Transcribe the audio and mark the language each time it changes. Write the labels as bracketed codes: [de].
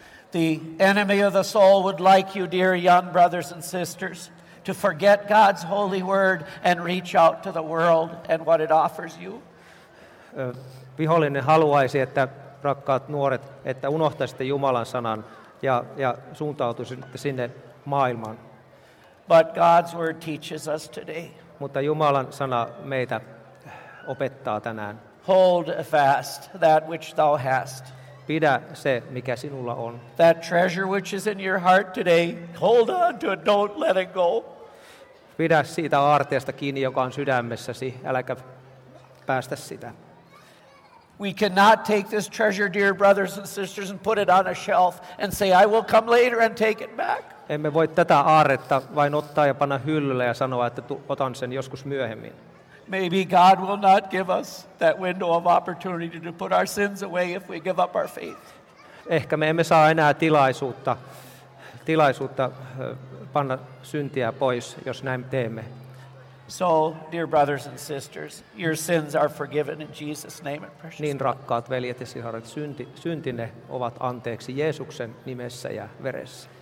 [en] The enemy of the soul would like you, dear young brothers and sisters, to forget God's holy word and reach out to the world and what it offers you. [fi] Vihollinen haluaisi, että rakkaat nuoret, että unohtaisitte Jumalan sanan ja suuntautuisitte sinne maailmaan. [en] But God's word teaches us today. [fi] Mutta Jumalan sana meitä opettaa tänään. [en] Hold fast that which thou hast. [fi] Pidä se, mikä sinulla on. [en] That treasure which is in your heart today, hold on to it, don't let it go. [fi] Pidä siitä aarteesta kiinni, joka on sydämessäsi, äläkä päästä sitä. [en] We cannot take this treasure, dear brothers and sisters, and put it on a shelf and say, I will come later and take it back. [fi] Emme voi tätä aarretta vain ottaa ja panna hyllylle ja sanoa, että otan sen joskus myöhemmin. [en] Maybe God will not give us that window of opportunity to put our sins away if we give up our faith. [fi] Ehkä me emme saa enää tilaisuutta tilaisuutta panna syntiä pois, jos näin teemme. [en] So, dear brothers and sisters, your sins are forgiven in Jesus' name and precious. [fi] Niin rakkaat veljet ja sisaret, syntinne ovat anteeksi Jeesuksen nimessä ja veressä.